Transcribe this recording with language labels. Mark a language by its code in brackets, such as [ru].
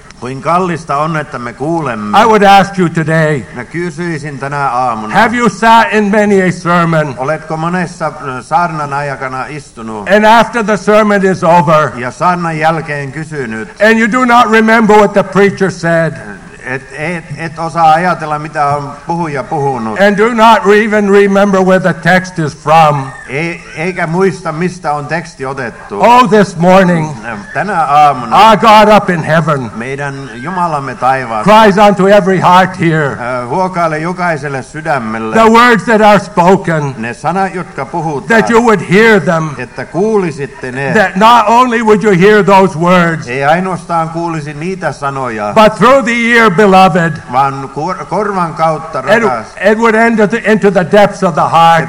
[fi] Kuinka kallista on, että me kuulemme. [en] I would ask you today. [fi] Mä kysyisin tänä aamuna. [en] Have you sat in many a sermon? [fi] Oletko monessa saarnan aikana istunut? [en] And after the sermon is over. [fi] Ja saarnan jälkeen kysynyt. [en] And you do not remember what the preacher said. [fi] Et osaa ajatella, mitä on puhuja puhunut. [en] And do not even remember where the text is from. [fi] Eikä muista, mistä on teksti otettu. [en] Oh, this morning. [fi] Tänä aamuna. [en] Our God up in heaven. [fi] Meidän Jumalamme taivaassa. [en] Cries unto every heart here. [fi] Huokaile jokaiselle sydämelle. [en] The words that are spoken. [fi] Ne sanat, jotka puhutaan. [en] That you would hear them. [fi] Että kuulisitte ne. [en] That not only would you hear those words. [fi] Ei ainoastaan kuulisi niitä sanoja. [en] But through the ear, beloved. [fi] Vaan korvan kautta, rakas. [en] It would enter into the depths of the heart.